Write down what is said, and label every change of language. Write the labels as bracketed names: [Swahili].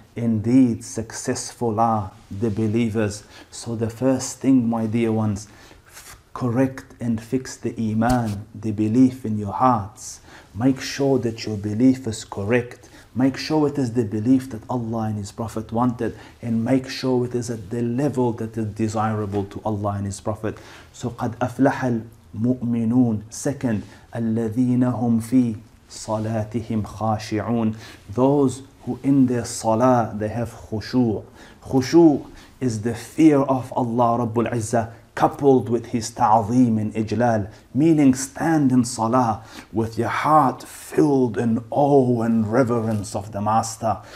[English] Indeed, successful are the believers. So the first thing, my dear ones, correct and fix the iman, the belief in your hearts. Make sure that your belief is correct. Make sure it is the belief that Allah and His Prophet wanted, and make sure it is at the level that is desirable to Allah and His Prophet. [Arabic] So قَدْ أَفْلَحَ الْمُؤْمِنُونَ. Second, الَّذِينَ هُمْ فِي صَلَاتِهِمْ خَاشِعُونَ. [English] Those who in their salah, they have khushu'. Khushu' is the fear of Allah Rabbul Izzah, coupled with His ta'zeem and ijlal, meaning stand in salah with your heart filled in awe and reverence of the Master.